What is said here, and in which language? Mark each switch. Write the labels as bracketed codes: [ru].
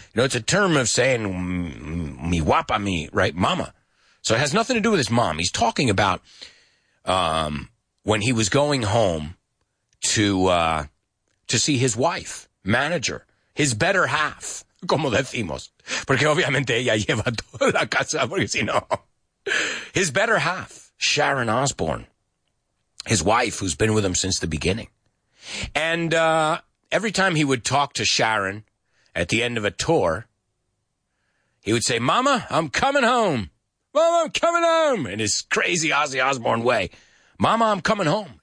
[en] You know, it's a term of saying [es] mi guapa, mi, [en] right? Mama. So it has nothing to do with his mom. He's talking about when he was going home to see his wife, manager, his better half. [es] Como decimos. Porque obviamente ella lleva toda la casa, porque si no. [en] His better half, Sharon Osbourne. His wife, who's been with him since the beginning. And every time he would talk to Sharon at the end of a tour, he would say, Mama, I'm coming home. Mama, I'm coming home. In his crazy Ozzy Osbourne way. Mama, I'm coming home.